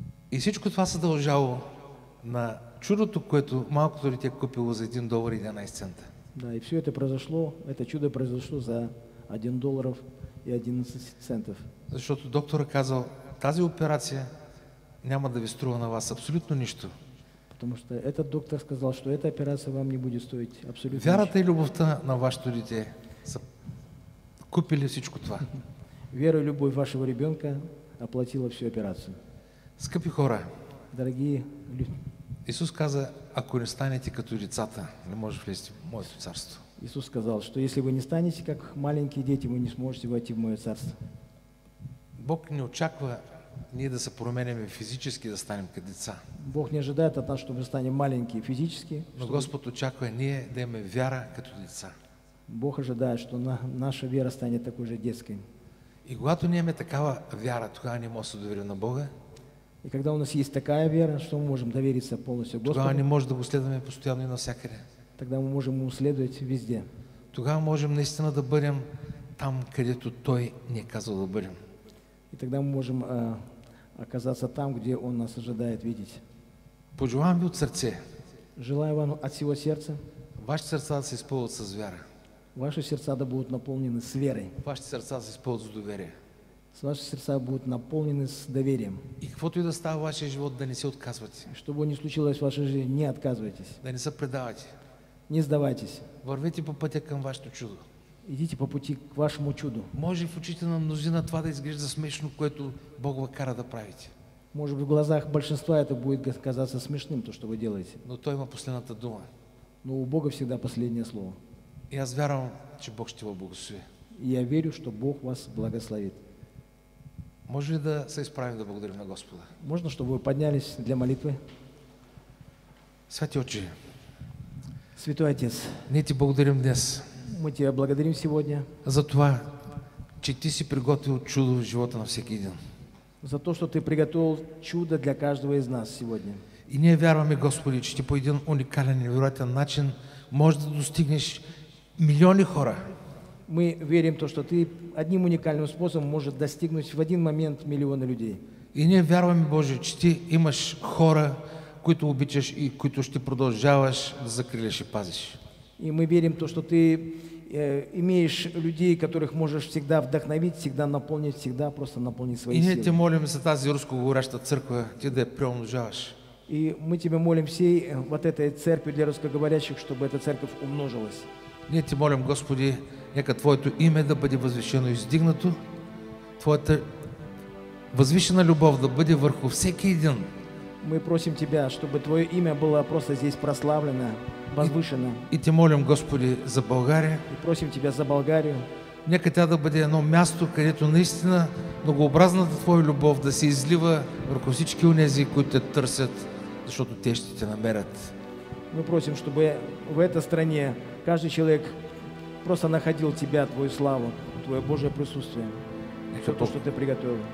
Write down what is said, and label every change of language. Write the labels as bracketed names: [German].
[Bulgarian] И всичко това се дължало на чудото, което малкото дете купило за $1 и 11 цента. [Russian] Да, и все это произошло, это чудо произошло за $1 и 11 центов. [Bulgarian] Защото докторът казал, тази операция няма да ви струва на вас абсолютно нищо. [Russian] Потому что этот доктор сказал, что эта операция вам не будет стоить абсолютно [Bulgarian] нищо. Вярата и любовта на вашето дете са купили всичко това. [Russian] Вера и любовь вашего ребенка оплатила всю операцию. [Bulgarian] Скъпи хора, [Russian] дорогие люди, [Bulgarian] Исус каза, ако не станете като децата, не можете влезти в моето царство. [Russian] Иисус сказал, что если вы не станете как маленькие дети, вы не сможете войти в мое царство. [Bulgarian] Бог не очаква ние да се променяме физически, да станем като деца. [Russian] Бог не ожидает от нас, что мы станем маленькие физически. [Bulgarian] Но Господ очаква ние да имаме вяра като деца. [Russian] Бог ожидает, что наша вера станет такой же детской. [Bulgarian] И когато ние имаме такава вяра, тогава ние можем да се доверим на Бога. [Russian] И когда у нас есть такая вера, что мы можем довериться полностью Господу. [Bulgarian] Тогава не можем да го следваме постоянно и навсякъде. [Russian] Тогда мы можем ему следовать везде. Тогда мы можем [Bulgarian] наистина да бъдем там, където той не казал да бъдем. [Russian] И тогда мы можем оказаться там, где он нас ожидает видеть. [Bulgarian] Пожелаем ви от сърце. [Russian] Желаю вам от всего сердца. [Bulgarian] Ваши сердца да се изпълват с вяра. [Russian] Ваши сердца да будут наполнены с верой. [Bulgarian] Ваши сердца да се изпълват с доверие. [Russian] Ваши сердца будут наполнены с доверием. [Bulgarian] И каквото и да става в вашия живот, да не се отказвайте. [Russian] Что бы ни случилось в вашей жизни, не отказывайтесь. [Bulgarian] Да не се предавайте. [Russian] Не сдавайтесь. [Bulgarian] Вървите по пътя към вашето чудо. [Russian] Идите по пути к вашему чуду. [Bulgarian] Може в очите на мнозина това да изглежда смешно, което Бог ви кара да правите. [Russian] Може би в глазах большинства это будет казаться смешным, то, что вы делаете. [Bulgarian] Но той има последната дума. [Russian] Но у Бога всегда последнее слово. [Bulgarian] И аз вярвам, че Бог ще ви благослови. [Russian] И я верю, что Бог вас благословит. [Bulgarian] Може ли да се изправим да благодарим на Господа? [Russian] Можно, чтобы вы поднялись для молитвы? [Bulgarian] Святи Отче. [Russian] Святой Отец, [Bulgarian] ние ти благодарим днес. [Russian] Мы тебя благодарим сегодня. [Bulgarian] За това, че ти си приготвил чудо в живота на всеки един. [Russian] За то, что ты приготовил чудо для каждого из нас сегодня. [Bulgarian] И ние вярваме, Господи, че ти по един уникален и невероятен начин можеш да достигнеш милиони хора. [Russian] Мы верим то, что ты одним уникальным способом можешь достигнуть в один момент миллионы людей. [Bulgarian] И ние вярваме, Боже, че ти имаш хора, които обичаш и които ще продължаваш да закриляш и пазиш. [Russian] И мы верим то, что ты имеешь людей, которых можешь всегда вдохновить, всегда наполнить, всегда просто наполнить свои силы. [Bulgarian] И ние те молим за тази рускоговоряща църква, ти да я приумножаваш. [Russian] И мы тебе молим всей вот этой церкви для русскоговорящих, чтобы эта церковь умножилась. [Bulgarian] Ние те молим, Господи, нека Твоето име да бъде възвишено и издигнато, Твоята възвишена любов да бъде върху всеки един, [Russian] Мы просим Тебя, чтобы Твое имя было просто здесь прославлено, возвышено. [Bulgarian] И Ти молим, Господи, за България. [Russian] И просим Тебя за Болгарию. [Bulgarian] Нека тя да бъде едно място, където наистина многообразната Твоя любов да се излива върху всички онези, които те търсят, защото те ще те намерят. [Russian] Мы просим, чтобы в этой стране каждый человек просто находил Тебя, Твою славу, Твое Божие присутствие, все то, что Ты приготовил.